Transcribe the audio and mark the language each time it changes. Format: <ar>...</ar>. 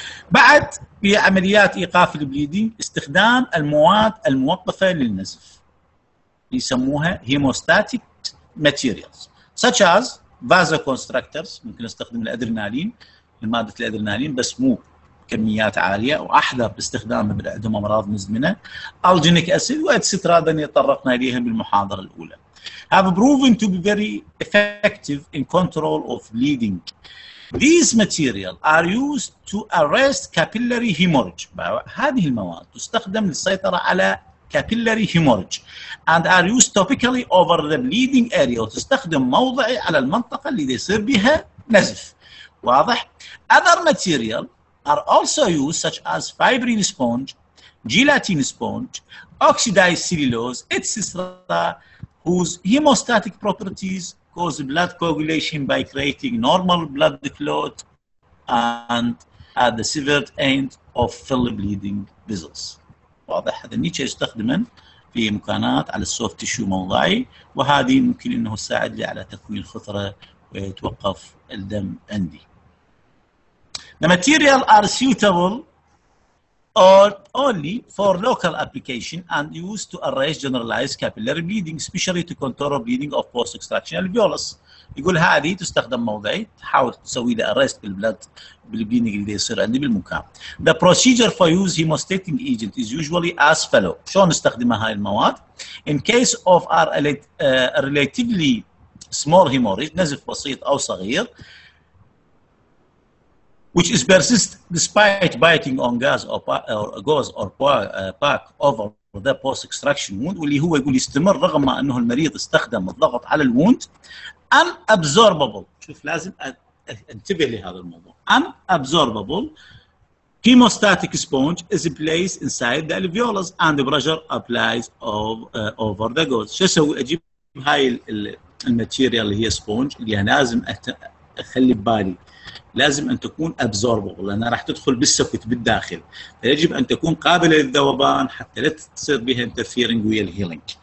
<ar>بعد في عمليات ايقاف البليدين استخدام المواد الموقفة للنزف يسموها هيموستاتيك ماتيريالز</ar> <en>such as vasoconstrictors.</en> <ar>ممكن استخدم الادرينالين لمادة الادرينالين بس مو كميات عالية، واحذر باستخدام عندهم امراض مزمنة. الجينيك اسيد واتسترا تطرقنا اليهم بالمحاضرة الاولى.</ar> <en>Have proven to be very effective in control of bleeding. These materials are used to arrest capillary hemorrhage.</en> <ar>هذه المواد تستخدم للسيطرة على</ar> <en>capillary hemorrhage and are used topically over the bleeding area.</en> <ar>وتستخدم موضعي على المنطقة اللي يصير بها نزف. واضح؟</ar> <en>Other materials are also used such as fibrin sponge, gelatin sponge, oxidized cellulose, etc. whose hemostatic properties cause blood coagulation by creating normal blood clot and at the severed end of fill bleeding vessels.</en> <ar>واضح هذا النيتشه يستخدمه في مكانات على السوفت تيشو موضعي، وهذه ممكن انه يساعد لي على تكوين خثره ويتوقف الدم عندي.</ar> <en>The material are suitable or only for local application and used to arrest generalized capillary bleeding, especially to control bleeding of post-extraction alveolus.</en> <ar>يقول هذه تستخدم موضعي تحاول تسوي لها arrest بالبلد بالبليدنج اللي يصير عندي بالمكان.</ar> <en>The procedure for use hemostating agent is usually as follow.</en> <ar>شلون نستخدمها هاي المواد؟</ar> <en>In case of a relatively small hemorrhage,</en> <ar>نزف بسيط أو صغير,</ar> <en>which is persist despite biting on gauze or pack over the post extraction wound,</en> <ar>واللي هو يقول يستمر رغم ما انه المريض استخدم الضغط على الوند.</ar> <en>Unabsorbable.</en> <ar>شوف لازم انتبه لهذا الموضوع.</ar> <en>Unabsorbable hemostatic sponge is placed inside the alveolus and the pressure applies over the gauze.</en> <ar>شو اسوي؟ اجيب هاي الماتيريال اللي هي سبونج اللي انا لازم اخلي ببالي لازم ان تكون absorbable لانها راح تدخل بالسكت بالداخل، فيجب ان تكون قابله للذوبان حتى لا تصير بها interfering ويا الهيلينج.</ar>